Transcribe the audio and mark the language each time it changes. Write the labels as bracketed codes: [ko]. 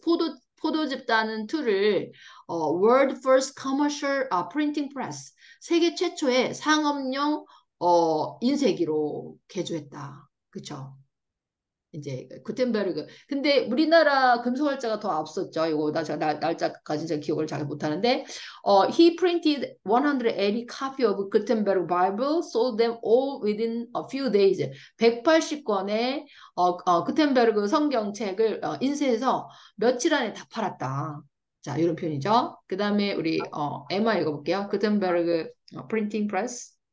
[ko] 포도 집단은 툴을 [en] World First Commercial Printing Press, [ko] 세계 최초의 상업용 인쇄기로 개조했다. 그렇죠? 이제 구텐베르그. 근데 우리나라 금속활자가 더 앞섰죠. 이거 나 제가 날짜까지 제가 기억을 잘 못하는데 [en] He printed 180 copy of Gutenberg Bible, sold them all within a few days. [ko] 180권의 구텐베르그 성경책을 인쇄해서 며칠 안에 다 팔았다. 자, 이런 표현이죠. 그 다음에 우리 Emma 읽어볼게요. 구텐베르그 프린팅 프레스.